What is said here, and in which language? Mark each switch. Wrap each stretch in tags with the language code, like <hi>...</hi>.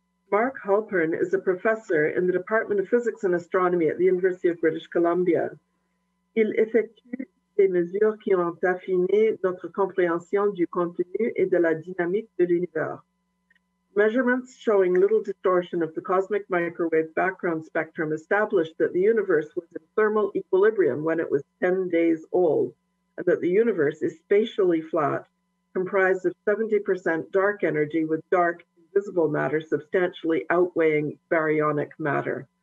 <en>Mark Halpern is a professor in the Department of Physics and Astronomy at the University of British Columbia.</en> <fr>Il effectue des mesures qui ont affiné notre compréhension du contenu et de la dynamique de l'univers.</fr> <en>Measurements showing little distortion of the cosmic microwave background spectrum established that the universe was in thermal equilibrium when it was 10 days old, and that the universe is spatially flat, comprised of 70% dark energy with dark, invisible matter substantially outweighing baryonic matter.</en>